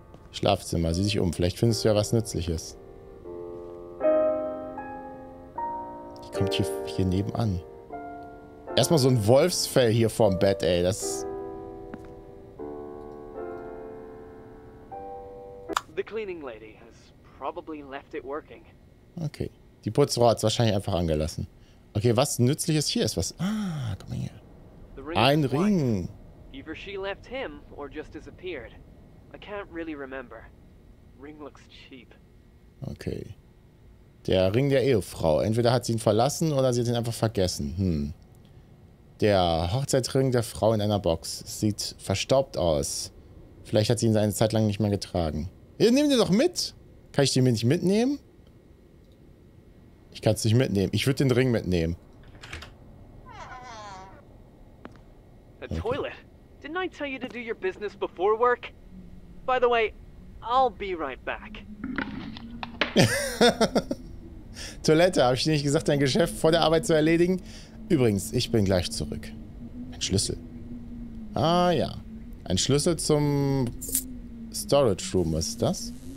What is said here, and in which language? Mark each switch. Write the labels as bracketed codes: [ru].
[de] Schlafzimmer, sieh dich um. Vielleicht findest du ja was Nützliches. Die kommt hier nebenan. Erstmal so ein Wolfsfell hier vorm Bett, ey. Das. [en] The cleaning lady has probably left it working. Okay. [de] Die Putzfrau hat es wahrscheinlich einfach angelassen. Okay, was Nützliches hier ist? Was? Ah, guck mal hier. Ein Ring. [en] Either she left him or just disappeared. I can't really remember. Ring looks cheap. [de] Okay. Der Ring der Ehefrau. Entweder hat sie ihn verlassen oder sie hat ihn einfach vergessen. Hm. Der Hochzeitsring der Frau in einer Box. Sieht verstaubt aus. Vielleicht hat sie ihn eine Zeit lang nicht mehr getragen. Hier, nimm den doch mit. Kann ich den mir nicht mitnehmen? Ich kann es nicht mitnehmen. Ich würde den Ring mitnehmen. [en] A toilet. Didn't I tell you to do your business before work? By the way, I'll be right back. [de] Toilette, habe ich dir nicht gesagt, dein Geschäft vor der Arbeit zu erledigen? Übrigens, ich bin gleich zurück. Ein Schlüssel. Ah ja, ein Schlüssel zum Storage Room, was ist das?